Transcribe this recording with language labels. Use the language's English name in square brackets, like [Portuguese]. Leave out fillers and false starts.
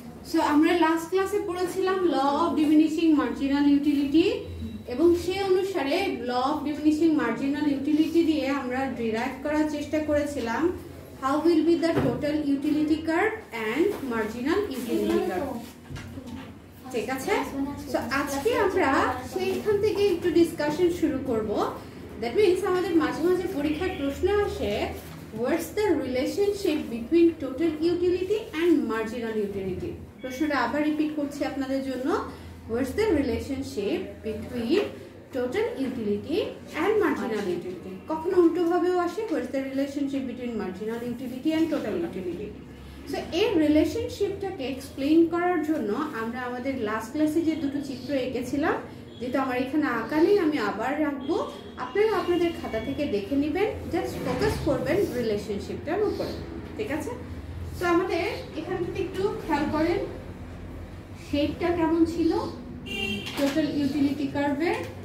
[Bangla] So আমরা last ক্লাসে পড়েছিলাম law of diminishing marginal utility এবং সেই অনুসারে law of diminishing marginal utility দিয়ে আমরা ডিরাইভ করার চেষ্টা করেছিলাম [English] how will be the total utility curve [Bangla] and marginal utility curve ঠিক আছে সো আজকে আমরা সেইখান থেকে একটু ডিসকাশন শুরু করব দ্যাট মিন্স আমাদের মাঝে মাঝে পরীক্ষার প্রশ্ন আসে [English] What's the relationship between total utility and marginal utility? [Bangla] প্রশ্নটা আবার রিপিট করছি আপনাদের জন্য [English] What's the relationship between total utility and marginal utility? [Bangla] কখনো উল্টোভাবেও আসে [English] What's the relationship between marginal utility and total utility? [Bangla] So এই রিলেশনশিপটাকে এক্সপ্লেইন করার জন্য আমরা আমাদের লাস্ট ক্লাসে যে দুটো চিত্র এঁকেছিলাম যেটা আমার এখানে আঁকা নেই আমি আবার রাখবো আপনারা আপনাদের খাতা থেকে দেখে নেবেন জাস্ট ফোকাস করবেন রিলেশনশিপটার উপরে ঠিক আছে সো আমাদের এখান থেকে একটু খেয়াল করেন শেপটা কেমন ছিল টোটাল ইউটিলিটি কার্ভের